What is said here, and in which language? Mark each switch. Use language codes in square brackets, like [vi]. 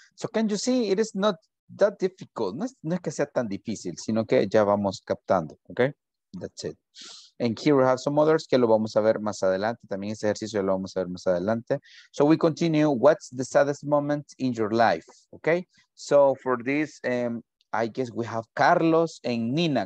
[en] So can you see, it is not that difficult. [es] No es que sea tan difícil, sino que ya vamos captando. [en] Okay, that's it. And here we have some others [es] que lo vamos a ver más adelante. También ese ejercicio lo vamos a ver más adelante. [en] So we continue. What's the saddest moment in your life? Okay, so for this, I guess we have Carlos and Nina.